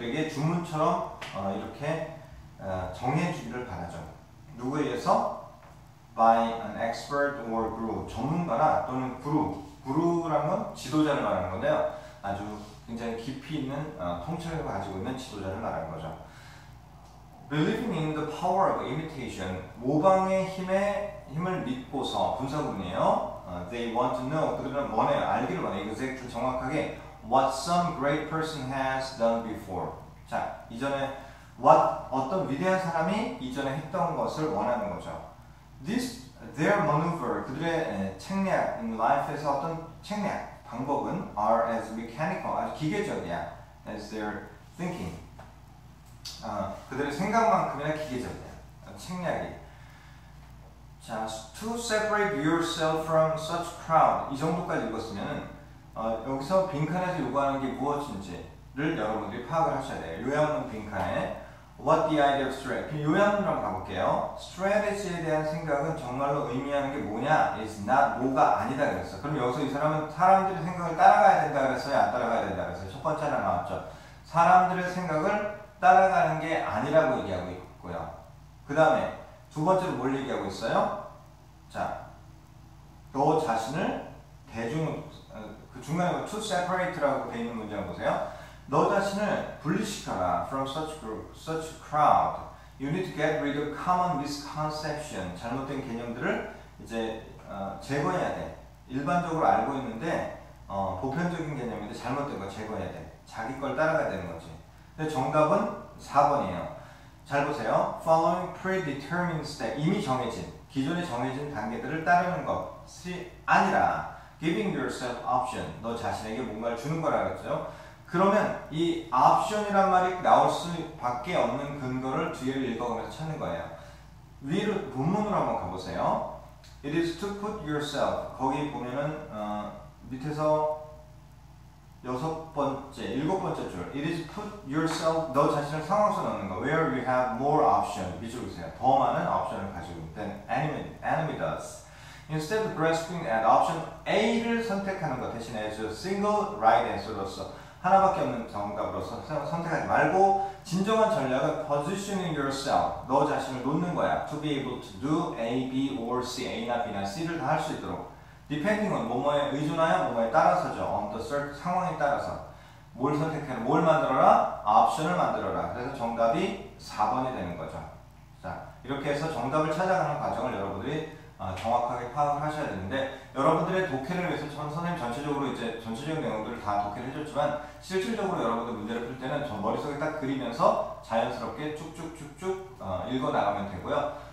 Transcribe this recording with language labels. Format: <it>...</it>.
<ko>그들에게 주문처럼 이렇게 정해주기를 바라죠. 누구에 의해서?</ko> <en>By an expert or guru.</en> <ko>전문가나 또는 guru. guru란 건 지도자를 말하는 건데요. 아주 굉장히 깊이 있는 통찰력을 가지고 있는 지도자를 말하는 거죠.</ko> <en>Believing in the power of imitation,</en> <ko>모방의 힘을 믿고서 분사구문이에요.</ko> <en>They want to know,</en> <ko>그들은 원해요, 알기를 원해요.</ko> <en>Exactly,</en> <ko>정확하게</ko> <en>what some great person has done before.</en> <ko>자, 이전에 어떤 위대한 사람이 이전에 했던 것을 원하는 거죠.</ko> <en>Their maneuver,</en> <ko>그들의 책략,</ko> <en>in life</en> <ko>에서 어떤 책략. 방법은</ko> <en>are as mechanical,</en> <ko>아주 기계적이야.</ko> <en>As their thinking.</en> <ko>그들의 생각만큼이나 기계적이야. 책략이.</ko> <en>자, to separate yourself from such crowd.</en> <ko>이 정도까지 읽었으면, 여기서 빈칸에서 요구하는 게 무엇인지를 여러분들이 파악을 하셔야 돼요. 요약문 빈칸에.</ko> <en>What the idea of strategy?</en> <ko>요약문으로 가볼게요. Strategy에 대한 생각은 정말로 의미하는 게 뭐냐?</ko> <en>Is not,</en> <ko>뭐가 아니다 그랬어. 그럼 여기서 이 사람은 사람들의 생각을 따라가야 된다 그랬어요? 안 따라가야 된다 그랬어요? 첫 번째 하나 나왔죠. 사람들의 생각을 따라가는 게 아니라고 얘기하고 있고요. 그 다음에 두 번째로 뭘 얘기하고 있어요? 자, 너 자신을 그 중간에</ko> <en>to separate</en> <ko>라고 돼 있는 문장 보세요. 너 자신을 분리시켜라.</ko> <en>From such group, such crowd. You need to get rid of common misconception.</en> <ko>잘못된 개념들을 이제 제거해야 돼. 일반적으로 알고 있는데 보편적인 개념인데 잘못된 거 제거해야 돼. 자기 걸 따라가야 되는 거지. 근데 정답은 4번이에요. 잘 보세요.</ko> <en>Following predetermined steps.</en> <ko>이미 정해진, 기존에 정해진 단계들을 따르는 것이 아니라</ko> <en>giving yourself option.</en> <ko>너 자신에게 뭔가를 주는 거라고 했죠. 그러면 이 option이란 말이 나올 수밖에 없는 근거를 뒤에를 읽어가면서 찾는 거예요. 위로 본문으로 한번 가보세요.</ko> <en>It is to put yourself.</en> <ko>거기 보면은 밑에서 일곱 번째 줄.</ko> <en>It is put yourself.</en> <ko>너 자신을 상황에서 넣는 거.</ko> <en>Where we have more option.</en> <ko>밑줄 보세요. 더 많은 option을 가지고 있는</ko> <en>enemy does. Instead of grasping at option A</en> <ko>를 선택하는 것 대신에</ko> <en>as a single right answer</en> <ko>로서 하나밖에 없는 정답으로서 선택하지 말고 진정한 전략은</ko> <en>positioning yourself.</en> <ko>너 자신을 놓는 거야.</ko> <en>To be able to do A, B, or C.</en> <ko>A나 B나 C를 다할수 있도록.</ko> <en>Depending on</en> <ko>뭐뭐에 의존하여 뭐뭐에 따라서죠.</ko> <en>On the</en> <ko>상황에 따라서. 뭘 선택해라? 뭘 만들어라? 옵션을 만들어라. 그래서 정답이 4번이 되는 거죠. 자, 이렇게 해서 정답을 찾아가는 과정을 여러분들이 정확하게 파악을 하셔야 되는데, 여러분들의 독해를 위해서 저는 선생님 전체적으로 이제 전체적인 내용들을 다 독해를 해줬지만, 실질적으로 여러분들 문제를 풀 때는 저 머릿속에 딱 그리면서 자연스럽게 쭉쭉쭉쭉 읽어 나가면 되고요.</ko>